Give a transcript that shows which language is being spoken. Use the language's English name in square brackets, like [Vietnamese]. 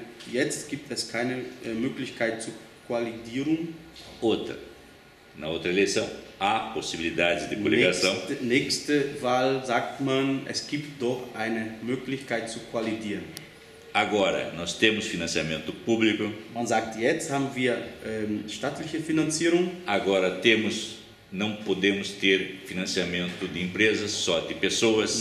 [German] Jetzt gibt es keine Möglichkeit zu koalidieren. [Portuguese] Outra. Na outra eleição há possibilidades de coligação. [German] Nächste Wahl sagt man, es gibt doch eine Möglichkeit zu koalidieren. [Portuguese] Agora nós temos financiamento público. [German] Man sagt, jetzt haben wir staatliche Finanzierung. [Portuguese] Agora não podemos ter financiamento de empresas, só de pessoas.